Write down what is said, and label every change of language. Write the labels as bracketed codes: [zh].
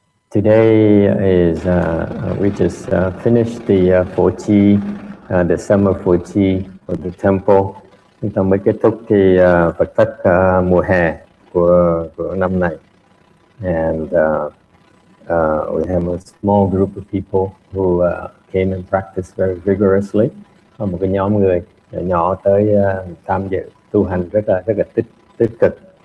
[en] Today is, we just finished the Fuqi, the summer Fuqi for the temple. [vi] Chúng ta mới kết thúc thì Phật Thất mùa hè của năm này. [en] And we have a small group of people who came and practiced very vigorously. [vi] Một cái nhóm người nhỏ tới tham dự tu hành rất là tích cực.